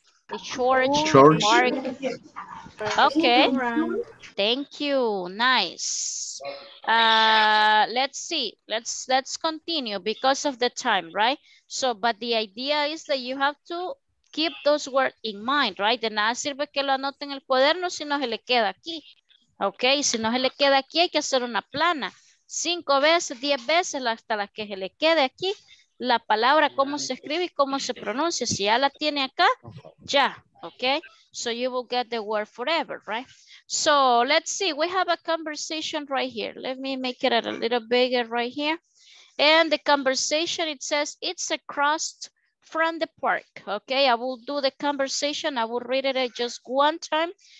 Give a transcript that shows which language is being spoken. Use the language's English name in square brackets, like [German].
[English] The church. Park. Okay, thank you, nice. Let's continue because of the time, right? So, but the idea is that you have to keep those words in mind, right? [Spanish] De nada sirve que lo anoten en el cuaderno si no se le queda aquí. Okay, si no se le queda aquí, hay que hacer una plana. 5 veces, 10 veces, hasta las que se le quede aquí, la palabra, cómo se escribe y cómo se pronuncia. Si ya la tiene acá, ya, okay? [English] So you will get the word forever, right? So let's see, we have a conversation right here. Let me make it a little bigger right here. And the conversation, it says, it's across from the park. Okay, I will do the conversation. I will read it just one time.